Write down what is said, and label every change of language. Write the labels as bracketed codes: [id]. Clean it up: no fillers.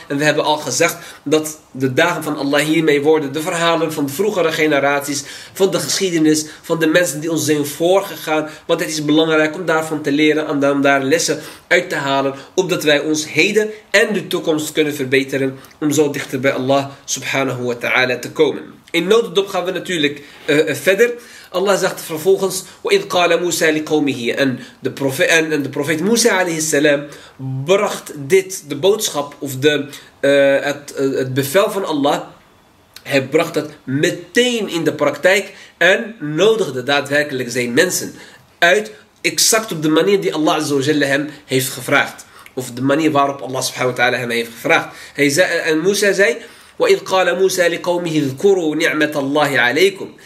[nl] En we hebben al gezegd dat de dagen van Allah hiermee worden de verhalen van de vroegere generaties, van de geschiedenis, van de mensen die ons zijn voorgegaan. Want het is belangrijk om daarvan te leren en om daar lessen uit te halen, opdat wij ons heden en de toekomst kunnen verbeteren om zo dichter bij Allah subhanahu wa ta'ala te komen. In notendop gaan we natuurlijk verder. Allah zegt vervolgens, [ar] وَإِذْ قَالَ مُوسَى لِقَوْمِهِ. [nl] En de profeet Musa alayhi salam bracht dit, de boodschap of het bevel van Allah. Hij bracht het meteen in de praktijk en nodigde daadwerkelijk zijn mensen uit, exact op de manier die Allah azza wa jalla hem heeft gevraagd. Of de manier waarop Allah subhanahu wa ta'ala hem heeft gevraagd. En Musa zei, [ar] وَإِذْ قَالَ مُوسَى لِقَوْمِهِ اذْكُرُوا نِعْمَةَ اللَّهِ عَلَيْكُمْ.